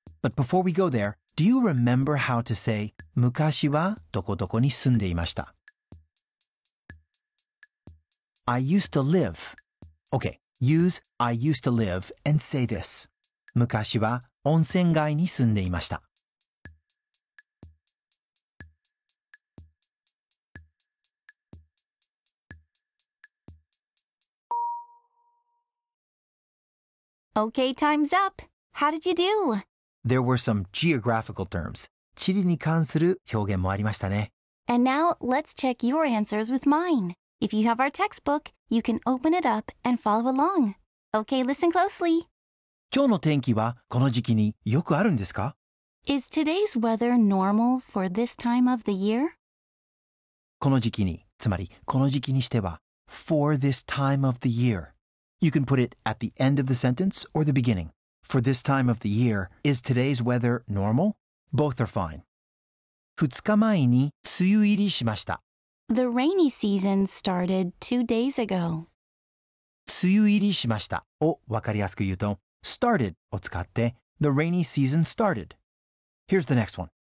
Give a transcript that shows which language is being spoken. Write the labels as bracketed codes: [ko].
[en] But before we go there, do you remember how to say [ja] 昔はどこどこに住んでいました? [en] I used to live. Okay, use I used to live and say this. [ja] 昔は温泉街に住んでいました。 [en] Okay, time's up. How did you do? There were some geographical terms. [ja] 地理に関する表現もありましたね。 [en] And now let's check your answers with mine. If you have our textbook, you can open it up and follow along. Okay, listen closely. [ja] 今日の天気はこの時期によくあるんですか? [en] Is today's weather normal for this time of the year? [ja] この時期に、つまりこの時期にしては [en] For this time of the year. You can put it at the end of the sentence or the beginning. For this time of the year, is today's weather normal? Both are fine. [ja] 2日前に梅雨入りしました。 [en] The rainy season started 2 days ago. [ja] 梅雨入りしましたをわかりやすく言うと、 [en] started [ja] を使って、 [en] The rainy season started. Here's the next one.